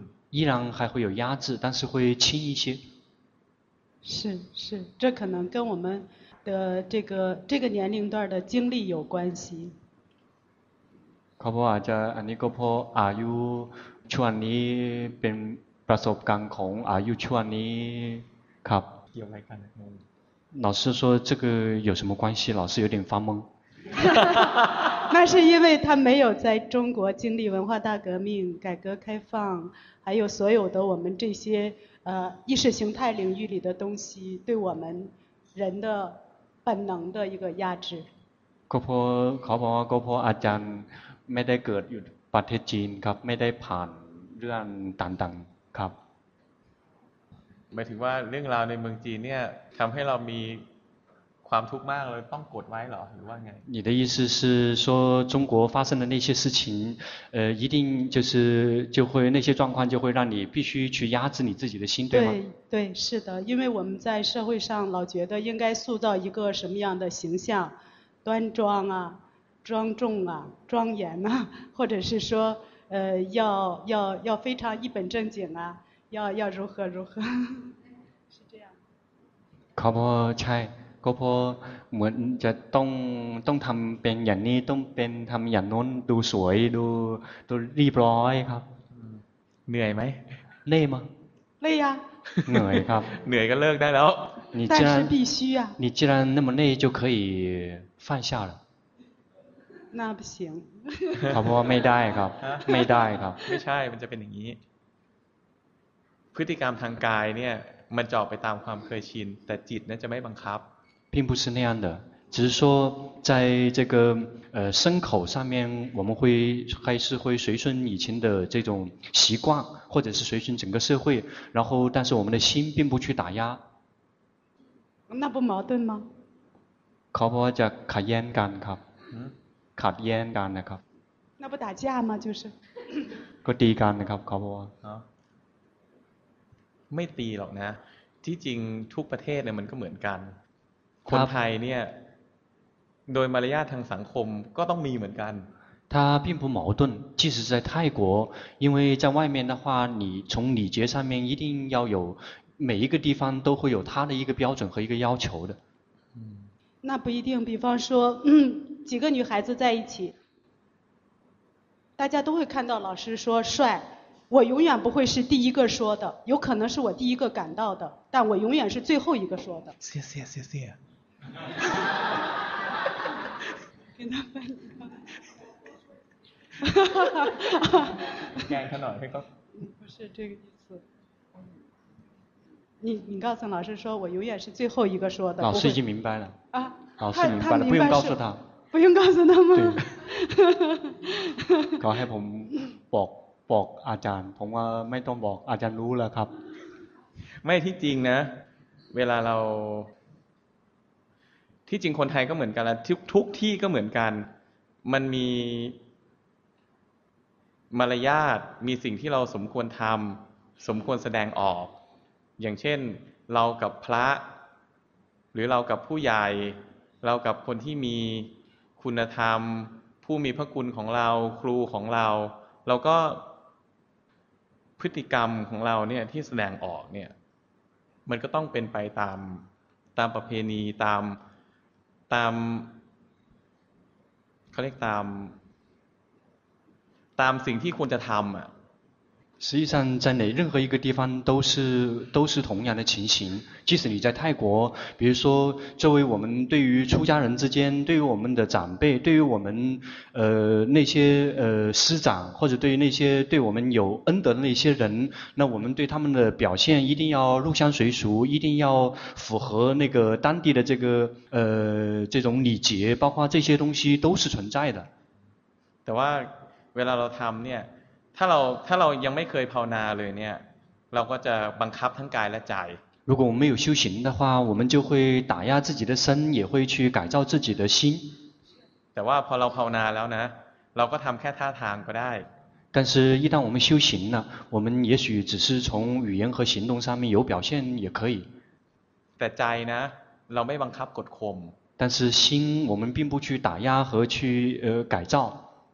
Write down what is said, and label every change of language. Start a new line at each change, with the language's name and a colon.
Chinese: 依然还会有压制但是会轻一些是这可能跟我们的这个年龄段的经历有关系
Thai: ขอบคุณอาจารย์อันนี้ก็เพราะอายุช่วงนี้เป็นประสบการณ์ของอายุช่วงนี้ครับ เกี่ยวอะไรกัน
Chinese: 老师说这个有什么关系老师有点发懵那是因为他没有在中国经历文化大革命改革开放还有所有的我们这些意识形态领域里的东西对我们人的本能的一个压制
Thai: ขอบคุณครับอาจารย์ไม่ได้เกิดอยู่ประเทศจีนครับไม่ได้ผ่านเรื่องต่างๆครับ หมายถึงว่าเรื่องราวในเมืองจีนเนี่ยทำให้เรามีความทุกข์มากเลยต้องกดไว้เหรอหรือว่าไง
Chinese: 你的意思是说中国发生的那些事情一定就会那些状况就会让你必须去压制你自己的心对吗对对是的因为我们在社会上老觉得应该塑造一个什么样的形象端庄啊庄重啊庄严啊或者是说要非常一本正经啊要如何如何是这样
Thai: ครับใช่ ก็เพราะเหมือนจะต้องทำเป็นอย่างนี้ต้องเป็นทำอย่างโน้นดูสวยดูรีบร้อยครับ เหนื่อยไหม เหนื่อยมั้ย เหนื่อยอ่ะ เหนื่อยครับ เหนื่อยก็เลิกได้แล้ว
Chinese: 但是必须啊你既然那么累就可以放下了那不行
Thai: เขาบอกว่าไม่ได้ครับไม่ได้ครับ ไม่ใช่มันจะเป็นอย่างนี้พฤติกรรมทางกายเนี่ยมันจอกไปตามความเคยชินแต่จิตเนี่ยจะไม่บังคับ
Chinese: 并不是那样的只是说在这个身口上面我们会还是会随顺以前的这种习惯或者是随顺整个社会然后但是我们的心并不去打压那不矛盾吗
Thai: เขาบอกว่าจะขัดแย้งกันครับขัดแย้งกันนะครับ
Chinese: 那不打架吗就是
Thai: ก็ตีกันนะครับเขาบอกว่า ไม่ตีหรอกนะที่จริงทุกประเทศเนี่ยมันก็เหมือนกันคนไทยเนี่ยโดยมารยาททางสังคมก็ต้องมีเหมือนกัน
Chinese: 它并不矛盾即使在泰国因为在外面的话你从礼节上面一定要有每一个地方都会有它的一个标准和一个要求的那不一定比方说几个女孩子在一起大家都会看到老师说帅我永远不会是第一个说的有可能是我第一个感到的但我永远是最后一个说的谢谢谢谢跟他翻译看看到不是这个意思你告诉老师说我永远是最后一个说的老师已经明白了啊老师明白了不用告诉他不用告诉他吗对他说我
Thai: บอกอาจารย์ผมว่าไม่ต้องบอกอาจารย์รู้แล้วครับ ไม่ที่จริงนะเวลาเราที่จริงคนไทยก็เหมือนกันแล้วทุกที่ก็เหมือนกันมันมีมารยาทมีสิ่งที่เราสมควรทำสมควรแสดงออกอย่างเช่นเรากับพระหรือเรากับผู้ใหญ่เรากับคนที่มีคุณธรรมผู้มีพระคุณของเราครูของเราเราก็ พฤติกรรมของเราเนี่ยที่แสดงออกเนี่ยมันก็ต้องเป็นไปตามประเพณีตามเขาเรียกตามสิ่งที่ควรจะทำอ่ะ
Chinese: 实际上在哪任何一个地方都是同样的情形即使你在泰国比如说作为我们对于出家人之间对于我们的长辈对于我们那些师长或者对于那些对我们有恩德的那些人那我们对他们的表现一定要入乡随俗一定要符合那个当地的这个这种礼节包括这些东西都是存在的
Thai: แต่ว่าเวลาเราทำเนี่ยถ้าเรายังไม่เคยภาวนาเลยเนี่ยเราก็จะบังคับทั้งกายและใจ
Chinese: 如果我们没有修行的话我们就会打压自己的身也会去改造自己的心
Thai: แต่ว่าพอเราภาวนาแล้วนะเราก็ทำแค่ท่าทางก็ได้
Chinese: 但是一旦我们修行了我们也许只是从语言和行动上面有表现也可以
Thai: แต่ใจนะเราไม่บังคับกดข่ม
Chinese: 但是心我们并不去打压和去改造